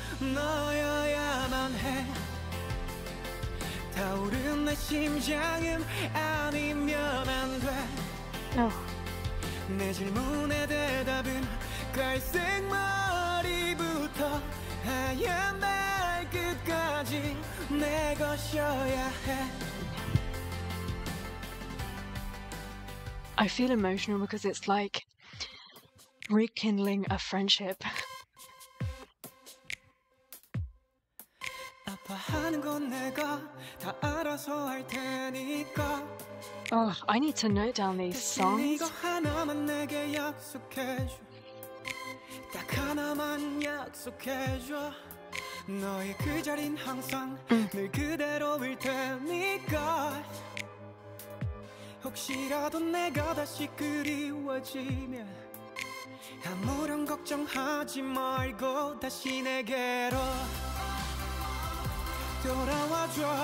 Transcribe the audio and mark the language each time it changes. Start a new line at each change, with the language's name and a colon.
Korean: 너여야만 해. 타오른 내 심장은 아니면 안 돼.
English: No.
Korean: 내 질문에 대답은 갈색 머리부터 하얀 발끝까지 내 것이어야 해.
English: I feel emotional because it's like rekindling a friendship.
Korean: 아파하는 건 내가 다 알아서 할 테니까.
English: Oh, I need to note down these songs.
Korean: 이거 하나만 내게 약속해줘. 딱 하나만 약속해줘. 너의 그 자린 항상 늘 그대로일 테니까. 혹시라도 내가 다시 그리워지면 아무런 걱정하지 말고 다시 내게로 돌아와줘.